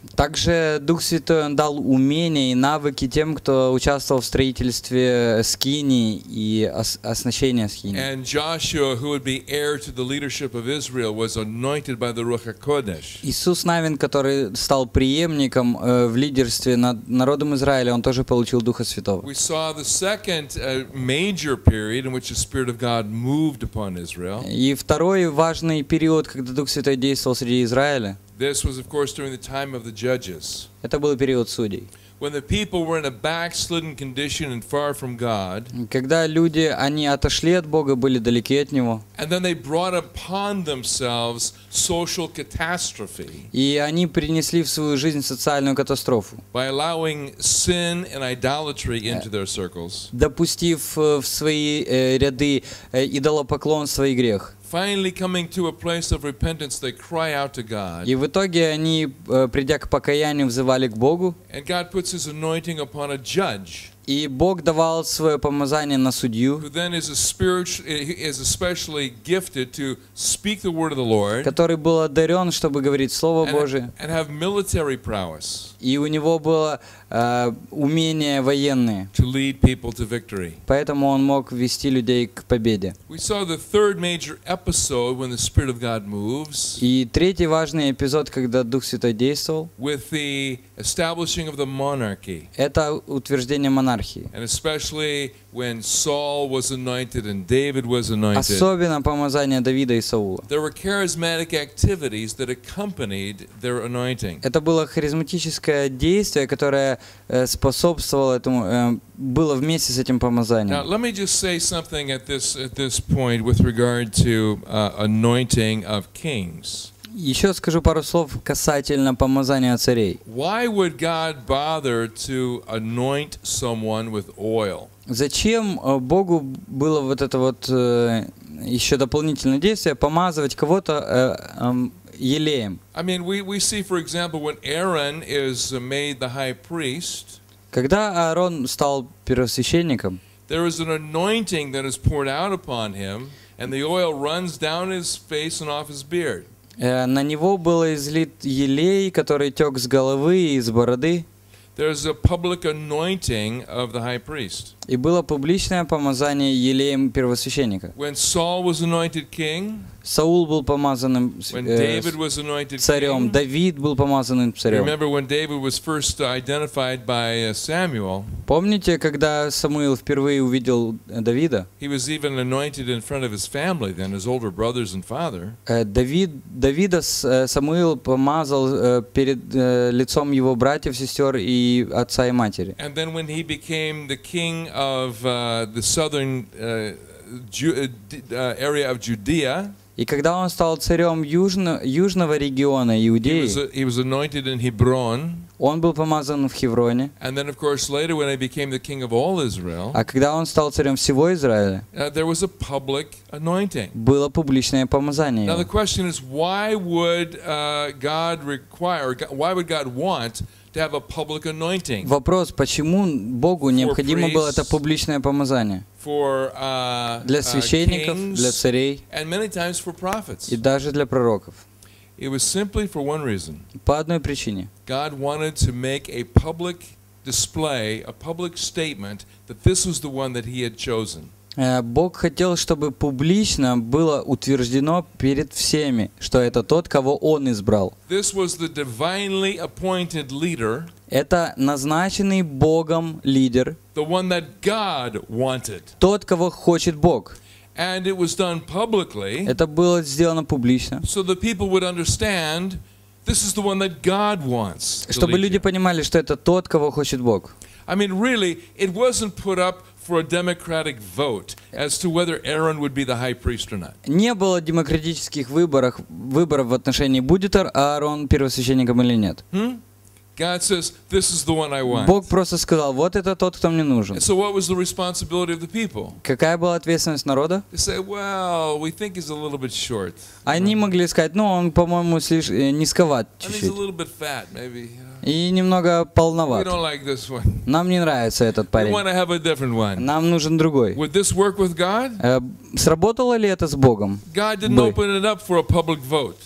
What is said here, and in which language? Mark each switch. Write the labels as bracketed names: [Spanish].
[Russian] Также Дух Святой он дал умения и навыки тем, кто участвовал в строительстве скинии и оснащении скинии. [English] And Joshua, who would be heir to the leadership of Israel, was anointed by the Ruach HaKodesh. [Russian] Иисус Навин, который стал преемником в лидерстве над народом Израиля, он тоже получил Духа Святого. [English] We saw the second major period in which the Spirit of God moved upon Israel. [Russian] И второй важный период, когда Дух Святой действовал среди Израиля. [English] This was, of course, during the time of the judges. [Russian] Это был период судей. [English] When the people were in a backslidden condition and far from God. [Russian] Когда люди они отошли от Бога, были далеки от него. [English] And then they brought upon themselves social catastrophe. [Russian] И они принесли в свою жизнь социальную катастрофу. [English] By allowing sin and idolatry into their circles. [Russian] Допустив в свои ряды идолопоклонство и грех. [English] Finally coming to a place of repentance, they cry out to God. [Russian] И в итоге они, придя к покаянию, взывали к Богу. [English] And God puts His anointing upon a judge. [Russian] И Бог давал свое помазание на судью. [English] Who then is especially gifted to speak the word of the Lord. [Russian] Который был одарен, чтобы говорить Слово Божие. [English] And have military prowess. [Russian] И у него было умения военные. [English] To lead people to victory. [Russian] Поэтому он мог вести людей к победе. [English] We saw the third major episode when the Spirit of God moves. [Russian] И третий важный эпизод, когда Дух Святой действовал. [English] With the establishing of the monarchy. [Russian] Это утверждение монархии. [English] And especially when Saul was anointed and David was anointed. [Russian] Особенно помазание Давида и Саула. [English] There were charismatic activities that accompanied their anointing. [Russian] Это было харизматическое действие, которое способствовало этому, было вместе с этим помазанием. [English] Now let me just say something at this point with regard to anointing of kings. [Russian] Еще скажу пару слов касательно помазания царей. [English] Why would God bother to anoint someone with oil? [Russian] Зачем Богу было вот это вот еще дополнительное действие помазывать кого-то елеем? [English] I mean, we see, for example, when Aaron is made the high priest. [Russian] Когда Аарон стал первосвященником, [English] there is an anointing that is poured out upon him, and the oil runs down his face and off his beard. [Russian] На него был излит елей, который тек с головы и из бороды. [English] There's a public anointing of the high priest. [Russian] И было публичное помазание елеем первосвященника. [English] When Saul was anointed king, [Russian] Саул был помазанным царем, Давид был помазанным царем. [English] Remember when David was first identified by Samuel? [Russian] Помните, когда Самуил впервые увидел Давида? [English] He was even anointed in front of his family, then his older brothers and father. [Russian] Давида Самуил помазал перед лицом его братьев, сестер и отца и матери. [English] And then when he became the king of the southern area of Judea. [Russian] И когда он стал царем южного региона Иудеи, [English] he was anointed in Hebron. [Russian] Он был помазан в Хевроне. [English] And then, of course, later when he became the king of all Israel. [Russian] А когда он стал царем всего Израиля, [English] there was a public anointing. [Russian] Было публичное помазание его. [English] Now the question is, why would God want to have a public anointing? [Russian] Вопрос, почему Богу необходимо было это публичное помазание? [English] For [Russian] для священников, для царей, [English] and many times for prophets. [Russian] И даже для пророков. [English] It was simply for one reason. [Russian] По одной причине. [English] God wanted to make a public display, a public statement that this was the one that he had chosen. [Russian] Бог хотел, чтобы публично было утверждено перед всеми, что это тот, кого он избрал. [English] This was the divinely appointed leader. [Russian] Это назначенный Богом лидер. [English] The one that God wanted. [Russian] Тот, кого хочет Бог. [English] And it was done publicly. [Russian] Это было сделано публично. [English] So the people would understand this is the one that God wants. [Russian] Чтобы люди понимали, что это тот, кого хочет Бог. [English] I mean, really, it wasn't put up for a democratic vote as to whether Aaron would be the high priest or not. [Russian] Не было демократических выборов в отношении будет Аарон первосвященником или нет. [English] God says, "This is the one I want." [Russian] Бог просто сказал, вот это тот, кто мне нужен. [English] So what was the responsibility of the people? [Russian] Какая была ответственность народа? [English] They say, "Well, we think he's a little bit short." [Russian] Они могли сказать, ну он, по-моему, слишком низковат чуть-чуть. [English] He's a little bit fat, maybe. [Russian] И немного полноват. [English] We don't like this one. [Russian] Нам не нравится этот парень. [English] We want to have a different one. [Russian] Нам нужен другой. [English] Would this work with God? [Russian] Сработало ли это с Богом? [English] God didn't open it up for a public vote.